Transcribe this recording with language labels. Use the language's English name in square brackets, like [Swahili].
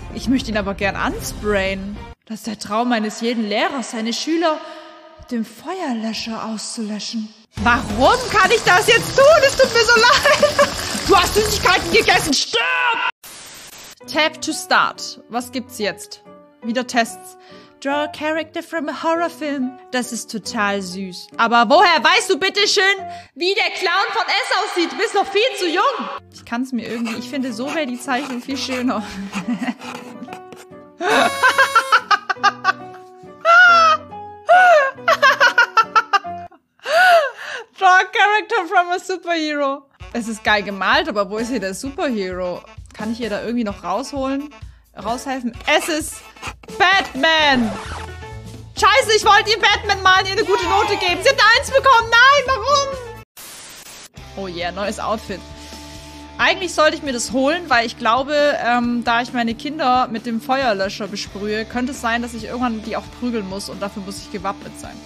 [German] Ich möchte ihn aber gern ansprayen. Das ist der Traum eines jeden Lehrers, seine Schüler mit dem Feuerlöscher auszulöschen. Warum kann ich das jetzt tun? Es tut mir so leid. Du hast Süßigkeiten gegessen. Stirb! [English] Tap to start. [German] Was gibt's jetzt? Wieder Tests. [English] Draw a character from a horror film. [German] Das ist total süß. Aber woher weißt du bitteschön, wie der Clown von S aussieht? Du bist noch viel zu jung. Ich kann es mir irgendwie... Ich finde, so wäre die Zeichnung viel schöner. [English] Draw a character from a superhero. [German] Es ist geil gemalt, aber wo ist hier der Superhero? Kann ich hier da irgendwie noch rausholen? Raushelfen? Es ist Batman! Scheiße, ich wollte ihr Batman malen, ihr eine gute Note geben. Sie hat eine 1 bekommen. Nein, warum? [English] Oh yeah, [German] neues Outfit. Eigentlich sollte ich mir das holen, weil ich glaube, da ich meine Kinder mit dem Feuerlöscher besprühe, könnte es sein, dass ich irgendwann die auch prügeln muss und dafür muss ich gewappnet sein.